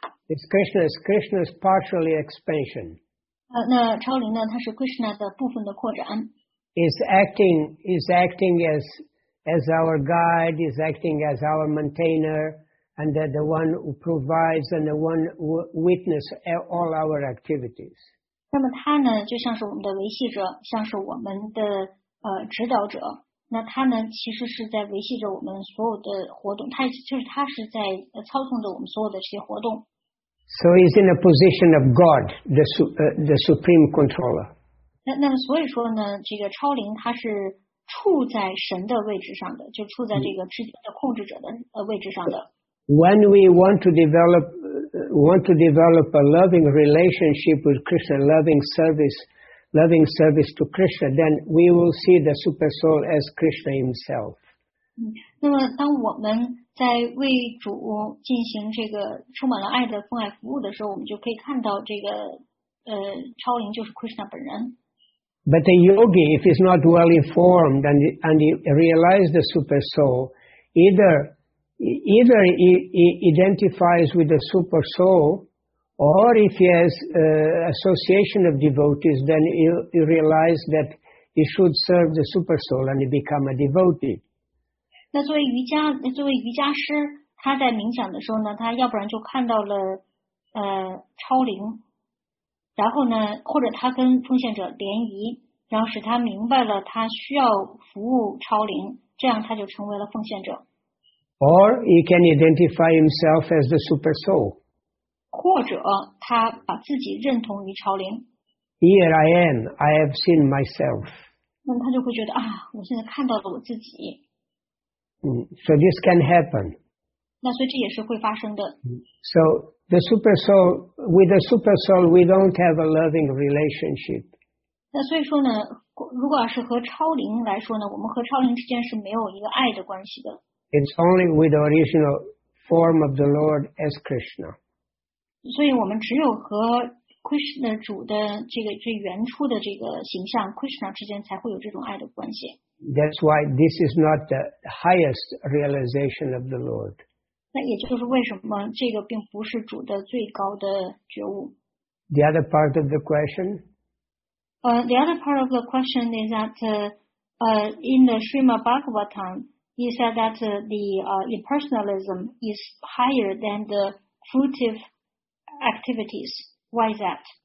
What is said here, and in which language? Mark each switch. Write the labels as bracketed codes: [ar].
[en] It's Krishna. It's Krishna's partially expansion. [zh] 那超灵呢？它是 Krishna 的部分的扩展。 [en] Is acting as our guide. Is acting as our maintainer. And that the one who provides and the one who witness all our activities. [zh] 那么他呢，就像是我们的维系者，像是我们的指导者。那他呢，其实是在维系着我们所有的活动。他就是他是在操纵着我们所有的这些活动。 [en] So he's in a position of God, the supreme controller. [zh] 那所以说呢，这个超灵他是处在神的位置上的，就处在这个之间的控制者的位置上的。 [en] When we want to develop a loving relationship with Krishna, loving service to Krishna, then we will see the super soul as Krishna himself. [zh] 那么当我们在为主进行这个充满了爱的奉爱服务的时候，我们就可以看到这个超灵就是 Krishna 本人。 [en] But a yogi, if he's not well informed and he realizes the super soul, either he identifies with the super soul, or if he has association of devotees, then he realizes that he should serve the super soul and he become a devotee. [zh] 那作为瑜伽师，他在冥想的时候呢，他要不然就看到了超灵。然后呢，或者他跟奉献者联谊，然后使他明白了他需要服务超灵，这样他就成为了奉献者。 [en] Or he can identify himself as the super soul. [zh] 或者他把自己认同于超灵。 [en] Here I am. I have seen myself. [zh] 那他就会觉得啊，我现在看到了我自己。 [en] So this can happen. [zh] 那所以这也是会发生的。 [en] So. The super soul, with the super soul, we don't have a loving relationship. [zh] 那所以说呢，如果是和超灵来说呢，我们和超灵之间是没有一个爱的关系的。 [en] It's only with the original form of the Lord as Krishna. [zh] 所以我们只有和 Krishna 主的这个最原初的这个形象 Krishna 之间才会有这种爱的关系。 [en] That's why this is not the highest realization of the Lord. [zh] 那也就是为什么这个并不是主的最高的觉悟。 [en] The other part of the question? The other part of the question is that in the Srimad Bhagavatam, he said that the impersonalism is higher than the fruitive activities. Why is that?